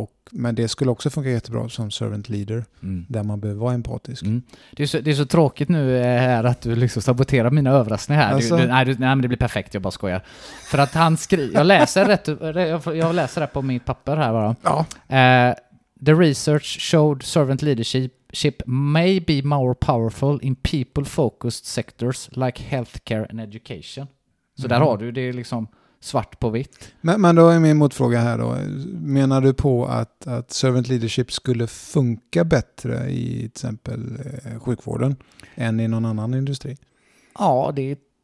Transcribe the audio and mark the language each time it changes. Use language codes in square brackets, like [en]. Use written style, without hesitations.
[sv] Men det skulle också funka jättebra som servant leader, där man behöver vara empatisk. Mm. Det är så tråkigt nu här att du liksom saboterar mina överraskningar här. Alltså? Nej, men det blir perfekt, jag bara skojar. För att han skriver, jag läser det på mitt papper här bara. Ja. [en] The research showed servant leadership may be more powerful in people-focused sectors like healthcare and education. [sv] Så där har du det liksom svart på vitt. Men då är min motfråga här då. Menar du på att servant leadership skulle funka bättre i till exempel sjukvården än i någon annan industri? Ja, det är...